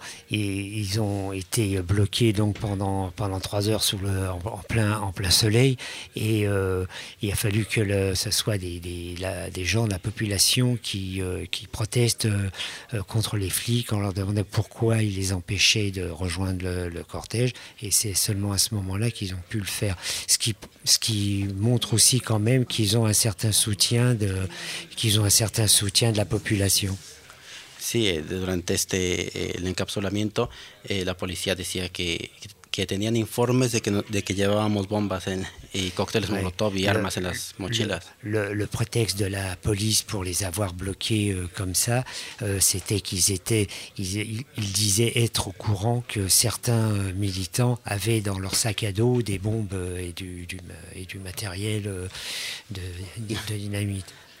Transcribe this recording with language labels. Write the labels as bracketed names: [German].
[French] Ils ont été bloqués donc pendant 3 heures en plein soleil et il a fallu que ça soit des gens de la population qui protestent contre les flics en leur demandant pourquoi ils les empêchaient de rejoindre le cortège, et c'est seulement à ce moment-là qu'ils ont pu le faire, ce qui montre aussi quand même qu'ils ont un certain soutien de la population. [Spanish] Sí, durante el encapsulamiento, la policía decía que tenían informes de que llevábamos bombas y cócteles Molotov y armas en las mochilas. [French] Le prétexte de la police pour les avoir bloqués comme ça, c'était qu'ils disaient être au courant que certains militants avaient dans leur sac à dos des bombes et du matériel de dynamite.